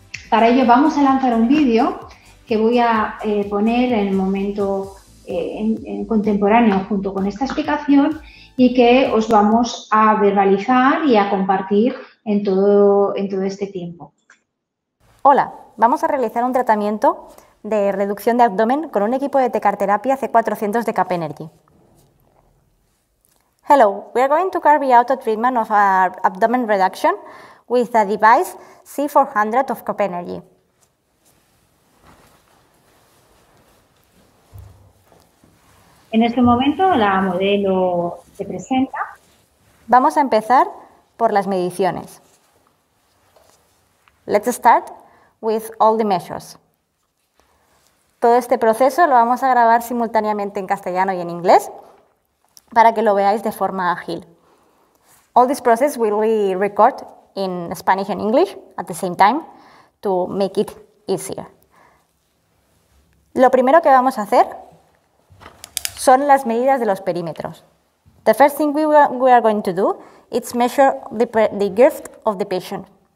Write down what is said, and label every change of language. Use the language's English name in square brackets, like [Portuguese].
[Spanish] Para ello vamos a lanzar un vídeo que voy a poner en el momento en contemporáneo junto con esta explicación y que os vamos a verbalizar y a compartir en todo este tiempo. Hola, vamos a realizar un tratamiento de reducción de abdomen con un equipo de tecarterapia C400 de Capenergy. [English] Hello, we are going to carry out a treatment of our abdomen reduction with a device C400 of Capenergy. [Spanish] En este momento la modelo se presenta. Vamos a empezar por las mediciones. [English] Let's start with all the measures. [Spanish] Todo este proceso lo vamos a grabar simultáneamente en castellano y en inglés para que lo veáis de forma ágil. [English] All this process will be recorded in Spanish and English at the same time to make it easier. [Spanish] Lo primero que vamos a hacer son las medidas de los perímetros. [English] The first thing we are going to do is measure the girth of the patient.